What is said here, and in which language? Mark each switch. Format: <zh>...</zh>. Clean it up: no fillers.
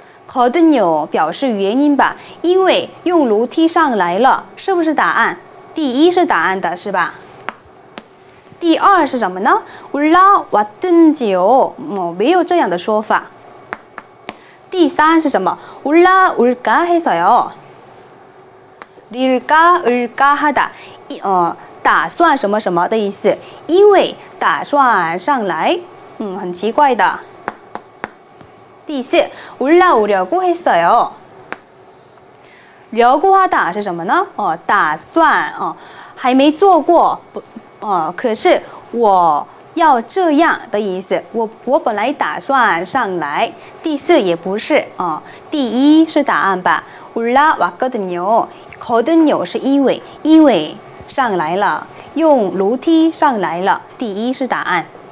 <zh>거든요表示原因吧因为用楼梯上来了是不是答案第一是答案的是吧第二是什么呢</zh> <ko>올라왔든지요</ko> <zh>没有这样的说法第三是什么？</zh> <ko>올라올까해서요。</ko> <zh>릴까을까하다，打算什么什么的意思，因为打算上来，很奇怪的。第四，</zh> <ko>올라오려고했어요。</ko> <zh>려고하다是什么呢？打算哦，还没做过，可是我要这样的意思。我本来打算上来。第四也不是哦，第一是答案吧。</zh> <ko>올라왔거든요，</ko> <zh>거든요是因为，因为上来了，用楼梯上来了。第一是答案。</zh>